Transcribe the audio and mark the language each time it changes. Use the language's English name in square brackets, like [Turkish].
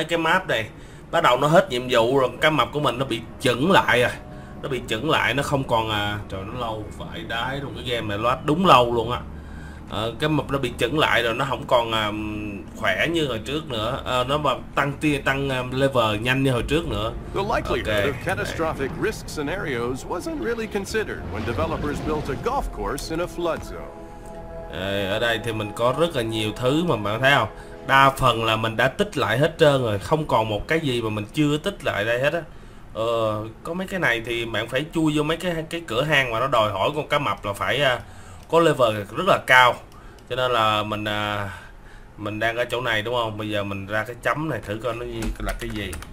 [Vietnamese] Mấy cái map này bắt đầu nó hết nhiệm vụ rồi, cái map của mình nó bị chững lại rồi, nó bị chững lại, nó không còn à. Trời, nó lâu phải đái luôn, cái game này load đúng lâu luôn á. Cái map nó bị chững lại rồi, nó không còn khỏe như hồi trước nữa. Nó mà tăng level nhanh như hồi trước nữa. [English] The likelihood of catastrophic risk scenarios wasn't really considered when developers built a golf course in a flood zone. [Vietnamese] Ở đây thì mình có rất là nhiều thứ mà bạn thấy không? Đa phần là mình đã tích lại hết trơn rồi, không còn một cái gì mà mình chưa tích lại đây hết á. Có mấy cái này thì bạn phải chui vô mấy cái cửa hang mà nó đòi hỏi con cá mập là phải có level rất là cao, cho nên là mình đang ở chỗ này đúng không? Bây giờ mình ra cái chấm này thử coi nó là cái gì.